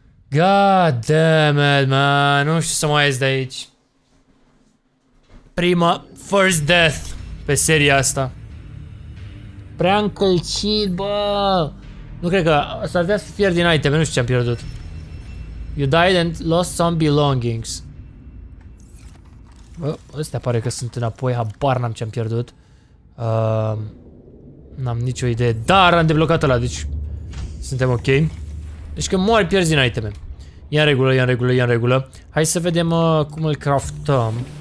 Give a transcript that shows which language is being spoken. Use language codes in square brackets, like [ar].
[en] God damn it, man. [ro] Nu știu să mai ies de aici. Prima, [en] first death [ro] pe seria asta. Prea încălcit, bă. Nu cred că s-ar putea să pierd din item, nu știu ce am pierdut. [en] You died and lost some belongings. [ro] Bă, ăstea pare că sunt înapoi, habar n-am ce am pierdut. N-am nicio idee, dar am deblocat ăla, deci suntem ok. Deci când mori, pierzi din iteme. E în regulă, e în regulă, e în regulă. Hai să vedem cum îl craftăm.